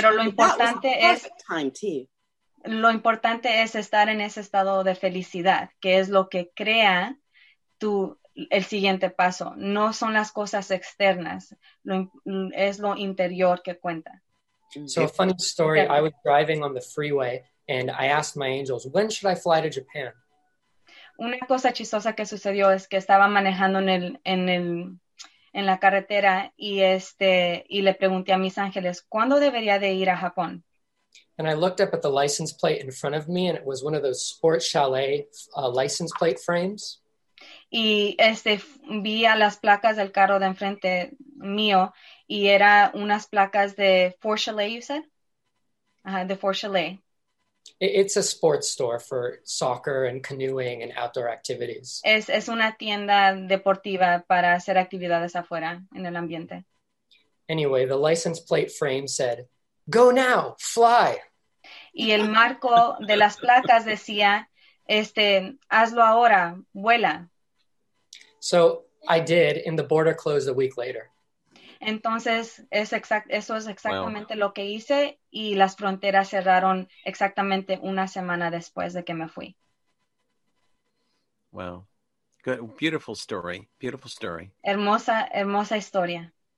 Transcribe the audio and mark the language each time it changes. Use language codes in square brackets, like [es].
[es] Pero lo importante es [en] time too. [es] Lo importante es estar en ese estado de felicidad, que es lo que crea tu el siguiente paso. No son las cosas externas, es lo interior que cuenta. [en] So a funny story, I was driving on the freeway and I asked my angels, when should I fly to Japan? [es] Una cosa chistosa que sucedió es que estaba manejando en la carretera y le pregunté a mis ángeles, ¿cuándo debería de ir a Japón? [en] And I looked up at the license plate in front of me and it was one of those sports chalet license plate frames. [es] Y vi a las placas del carro de enfrente mío y era unas placas de Four Chalet, [en] you said? [es] De Four Chalet. [en] It's a sports store for soccer and canoeing and outdoor activities. [es] Es una tienda deportiva para hacer actividades afuera en el ambiente. [en] Anyway, the license plate frame said, go now, fly. [es] Y el marco de las placas decía, hazlo ahora, vuela. [en] So I did, and the border closed a week later. [es] Entonces, eso es exactamente lo que hice, y las fronteras cerraron exactamente una semana después de que me fui. [en] Wow. Good, beautiful story. Beautiful story. [es] Hermosa, hermosa historia.